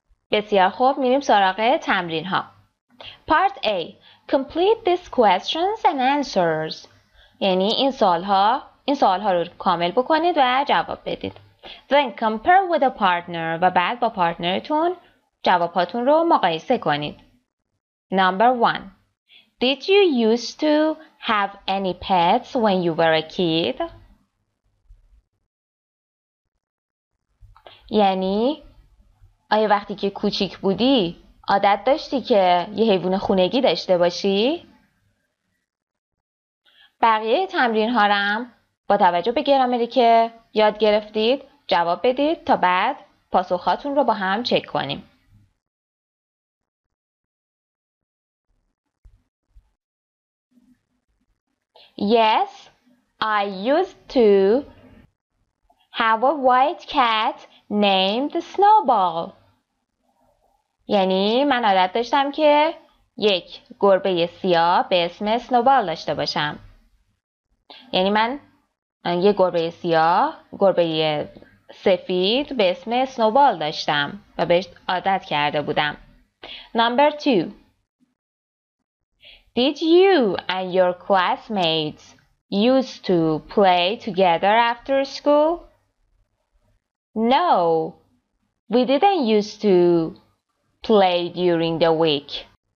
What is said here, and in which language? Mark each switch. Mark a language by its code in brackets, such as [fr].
[fa] بسیار خوب، میریم سراغ تمرین ها. Part A. [en] Complete these questions and answers. [fa] یعنی این سوال ها رو کامل بکنید و جواب بدید. [en] Then compare with a partner [fa] و بعد با پارتنرتون جواب هاتون رو مقایسه کنید. [en] Number 1. Did you used to have any pets when you were a kid? [fa] یعنی آیا وقتی که کوچیک بودی عادت داشتی که یه حیوان خونگی داشته باشی؟ بقیه تمرین هارم با توجه به گرامری که یاد گرفتید جواب بدید تا بعد پاسخاتون رو با هم چک کنیم. [en] Yes, I used to have a white cat named Snowball. [fa] یعنی من عادت داشتم که یک گربه سیاه به اسم Snowball داشته باشم. یعنی من یک گربه سیاه، گربه سفید به اسم Snowball داشتم و بهش عادت کرده بودم. [en] Number two. Did you and your classmates used to play together after school? No, we didn't used to play during the week.